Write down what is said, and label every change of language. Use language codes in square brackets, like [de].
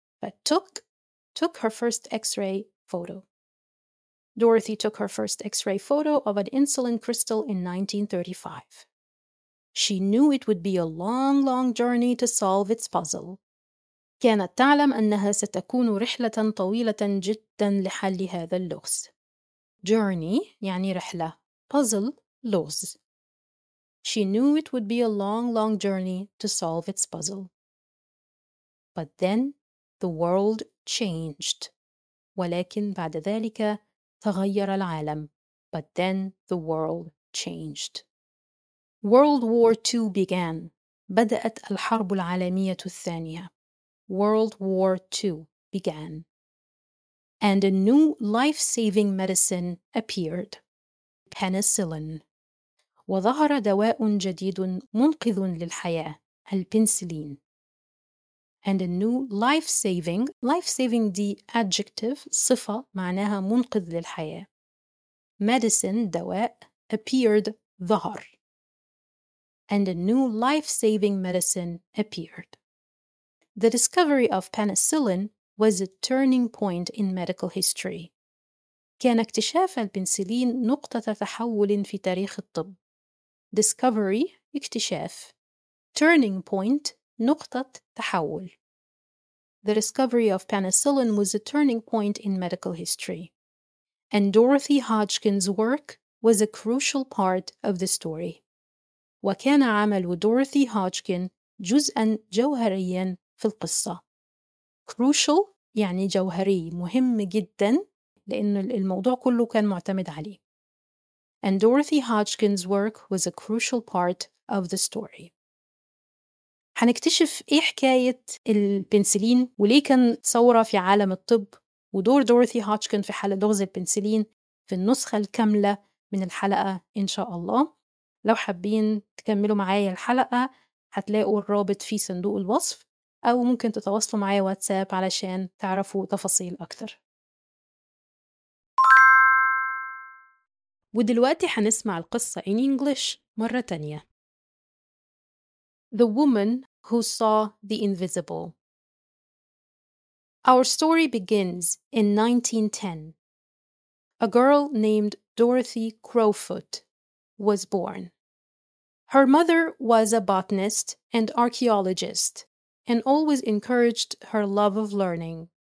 [en] But took her first X-ray photo. Dorothy took her first X-ray photo of an insulin crystal in 1935. She knew it would be a long, long journey to solve its puzzle. [ar] كانت تعلم أنها ستكون رحلة طويلة جدا لحل هذا اللغز. Journey يعني رحلة. Puzzle, لغز. [en] She knew it would be a long, long journey to solve its puzzle. But then the world changed. [ar] ولكن بعد ذلك تغير العالم. [en] But then the world changed. World War II began. [ar] بدأت الحرب العالمية الثانية. [en] World War II began. And a new life-saving medicine appeared. Penicillin. [ar] وظهر دواء جديد منقذ للحياة. [en] البنسلين. And a new life-saving. [ar] Life-saving دي adjective صفة معناها منقذ للحياة. [en] Medicine دواء appeared ظهر. And a new life-saving medicine appeared. The discovery of penicillin was a turning point in medical history. [ar] كان اكتشاف البنسلين نقطة تحول في تاريخ الطب. Discovery اكتشاف. Turning point نقطة تحول. [en] The discovery of penicillin was a turning point in medical history. And Dorothy Hodgkin's work was a crucial part of the story. [ar] وكان عمل دوروثي هاجكن جزءاً جوهرياً في القصة. Crucial يعني جوهري، مهم جداً، لأن الموضوع كله كان معتمد عليه. And Dorothy Hodgkin's work was a crucial part of the story. هنكتشف إيه حكاية البنسلين وليه كان تصورة في عالم الطب ودور دوروثي هاجكن في حل لغز البنسلين في النسخة الكاملة من الحلقة إن شاء الله. لو حابين تكملوا معايا الحلقة هتلاقوا الرابط في صندوق الوصف، أو ممكن تتواصلوا معايا واتساب علشان تعرفوا تفاصيل أكتر. ودلوقتي هنسمع القصة [en] in English [ar] مرة تانية. [en] The woman who saw the invisible. Our story begins in 1910. A girl named Dorothy Crowfoot was born. Her mother was a botanist and archaeologist and always encouraged her love of learning.